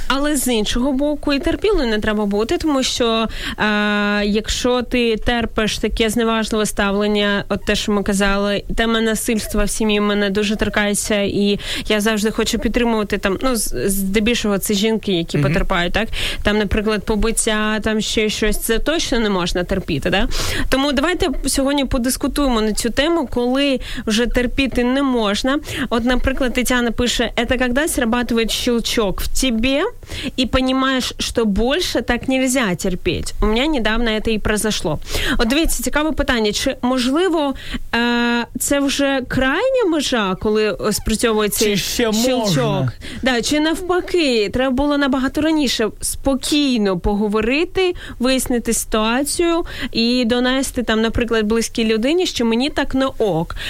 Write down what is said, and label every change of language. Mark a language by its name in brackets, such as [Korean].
[Ukrainian] Але з іншого боку і терпілою не треба бути, тому що якщо ти терпиш таке зневажливе ставлення, от те, що ми казали, тема насильства в сім'ї мене дуже торкається, і я завжди хочу підтримувати там, ну, здебільшого це жінки, які mm-hmm. потерпають, так? Там, наприклад, побиття, там ще щось, це точно не можна терпіти, да? Тому давайте сьогодні подискутуємо на цю тему, коли вже терпіти не можна. От, наприклад, Тетяна пише, [Russian] «Это когда срабатывает щелчок в тебе, и понимаешь, что больше так нельзя терпеть». [Ukrainian] У мене недавно [Russian] это і произошло. [Ukrainian] От дивіться, цікаве питання, чи можливо це вже крайня межа, коли спрацьовує цей щелчок? Да, чи навпаки, треба було набагато раніше спокійно поговорити, вияснити ситуацію і донести, там, наприклад, близькій людині, що мені так не ок.